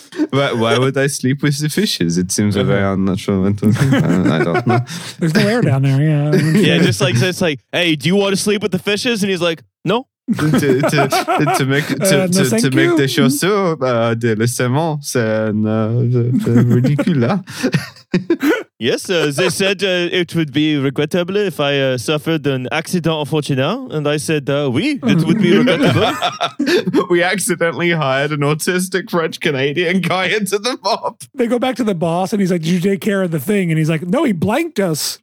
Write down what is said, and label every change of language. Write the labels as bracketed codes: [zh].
[en] Why would I sleep with the fishes? It seems a very unnatural mental thing. I don't know. There's no air down there. Yeah. Yeah. Just like, so it's like, hey, do you want to sleep with the fishes? And he's like, no. to make [fr] des chaussures de le saumon, c'est ridicule. [en] Yes, they said it would be regrettable if I suffered an accident of fortune, and I said, oui, it would be regrettable. We accidentally hired an autistic French-Canadian guy into the mob. They go back to the boss, and he's like, did you take care of the thing? And he's like, no, he blanked us.